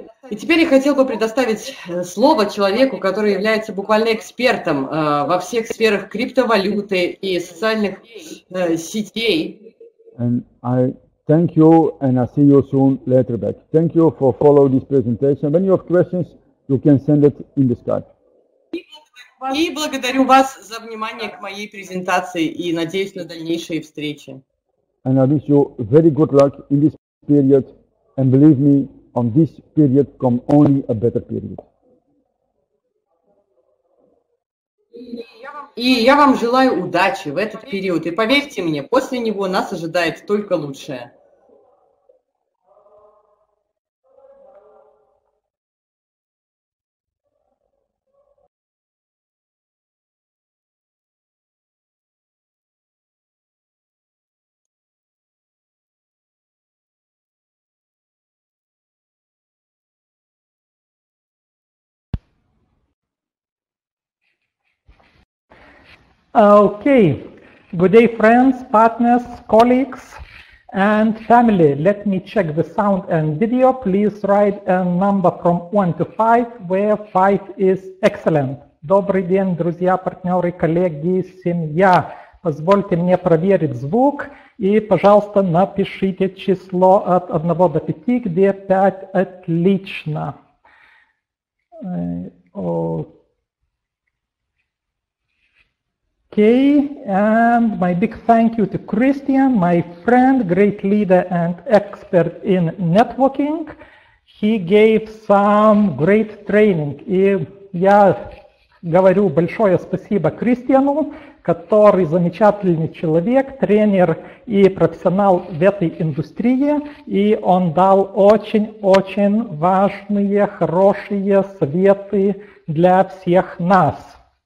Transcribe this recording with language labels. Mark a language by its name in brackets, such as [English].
[Russian] И теперь я хотел бы предоставить слово человеку, который является буквально экспертом во всех сферах криптовалюты и социальных сетей. [English] And I thank you and I see you soon later back. Thank you for following this presentation. When you have questions, you can send it in the chat. [Russian] И благодарю вас за внимание к моей презентации и надеюсь на дальнейшие встречи. [English] And I wish you very good luck in this period and believe me, on this period come only a better period. [Russian] И я вам желаю удачи в этот период. И поверьте мне, после него нас ожидает только лучшее. [English] Okay, good day friends, partners, colleagues and family. Let me check the sound and video. Please write a number from 1 to 5, where 5 is excellent. [Russian] Добрый день, друзья, партнеры, коллеги, семья. Позвольте мне проверить звук и, пожалуйста, напишите число от 1 до 5, где 5 отлично. [English] Okay. Okay, and my big thank you to Christian, my friend, great leader and expert in networking. He gave some great training. [Russian] И я говорю большое спасибо Кристиану, который замечательный человек, тренер и профессионал в этой индустрии. И он дал очень-очень важные, хорошие советы для всех нас.